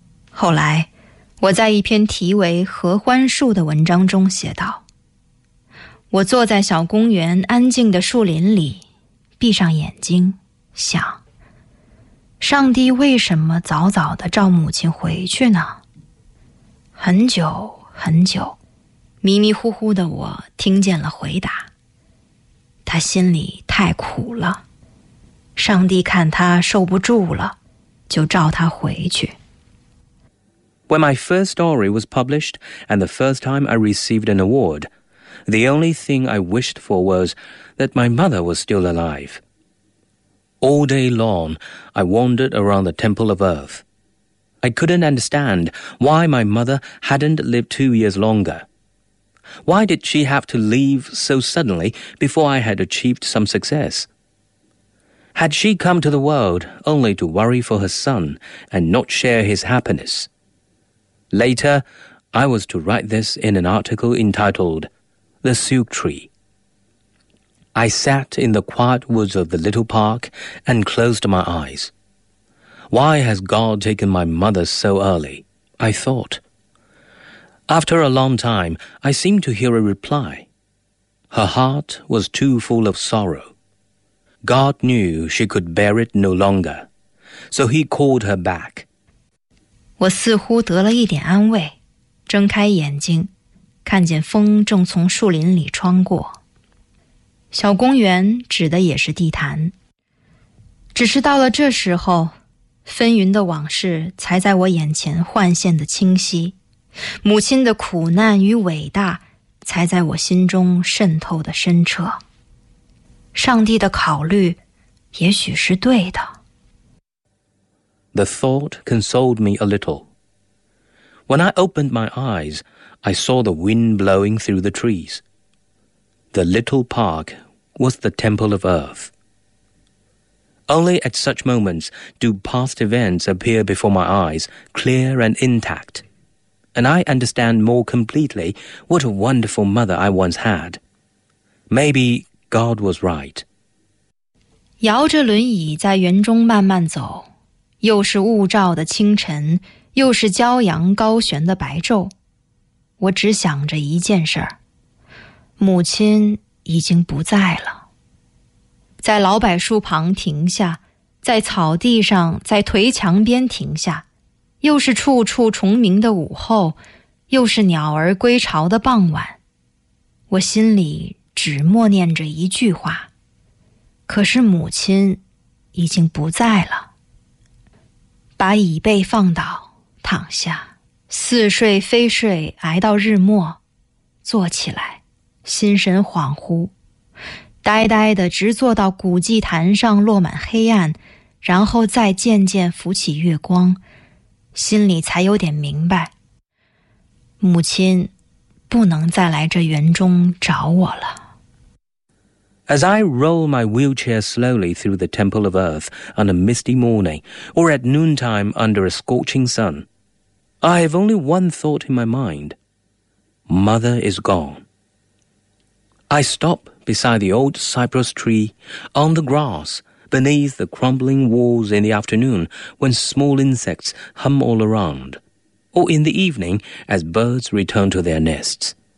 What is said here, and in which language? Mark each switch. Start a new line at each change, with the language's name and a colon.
Chinese: 后来，我在一篇题为《合欢树》的文章中写道：我坐在小公园安静的树林里，闭上眼睛想，上帝为什么早早地召母亲回去呢？很久很久，迷迷糊糊的我听见了回答，他心里太苦了，上帝看他受不住了，就召他回去。
English: When my first story was published and the first time I received an award,The only thing I wished for was that my mother was still alive. All day long, I wandered around the temple of earth. I couldn't understand why my mother hadn't lived 2 years longer. Why did she have to leave so suddenly before I had achieved some success? Had she come to the world only to worry for her son and not share his happiness? Later, I was to write this in an article entitled,The Silk Tree. I sat in the quiet woods of the little park and closed my eyes. Why has God taken my mother so early? I thought. After a long time, I seemed to hear a reply. Her heart was too full of sorrow. God knew she could bear it no longer, so he called her back.
Chinese: 我似乎得了一点安慰，睁开眼睛看见风正从树林里穿过，小公园指的也是地坛。只是到了这时候，纷纭的往事才在我眼前幻现的清晰，母亲的苦难与伟大才在我心中渗透的深彻。上帝的考虑也许是对的。
English: The thought consoled me a little. When I opened my eyes,I saw the wind blowing through the trees. The little park was the temple of earth. Only at such moments do past events appear before my eyes, clear and intact. and I understand more completely what a wonderful mother I once had. Maybe God was right.
Chinese: 摇着轮椅在园中慢慢走，又是雾罩的清晨，又是骄阳高悬的白昼，我只想着一件事儿，母亲已经不在了。在老柏树旁停下，在草地上，在颓墙边停下，又是处处虫鸣的午后，又是鸟儿归巢的傍晚，我心里只默念着一句话，可是母亲已经不在了。把椅背放倒，躺下，似睡非睡，挨到日末，坐起来，心神恍惚，呆呆地直坐到古祭坛上落满黑暗，然后再渐渐浮起月光，心里才有点明白，母亲不能再来这园中找我了。
English: As I roll my wheelchair slowly through the Temple of Earth on a misty morning, or at noontime under a scorching sun, I have only one thought in my mind. Mother is gone. I stop beside the old cypress tree, on the grass, beneath the crumbling walls in the afternoon when small insects hum all around, or in the evening as birds return to their nests.